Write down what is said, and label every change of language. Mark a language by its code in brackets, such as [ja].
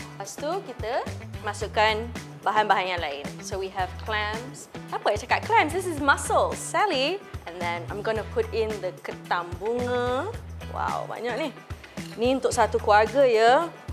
[ms] Lepas tu kita masukkan bahan-bahan yang lain. [en] So we have clams. [ms] Apa yang cakap clams? [en] This is mussels, Sally. And then I'm going to put in the ketam bunga. [ms] Wow, banyak ni. Ni untuk satu keluarga ya.